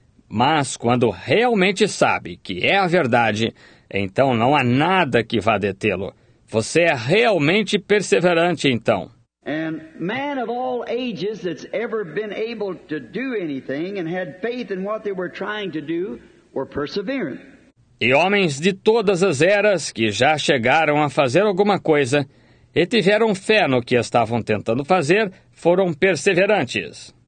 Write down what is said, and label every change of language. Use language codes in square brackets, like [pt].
[pt] Mas quando realmente sabe que é a verdade, então não há nada que vá detê-lo. Você é realmente perseverante então. [en] And man of all ages that's ever been able to do anything and had faith in what they were trying to do were perseverant. [pt] E homens de todas as eras que já chegaram a fazer alguma coisa e tiveram fé no que estavam tentando fazer foram perseverantes.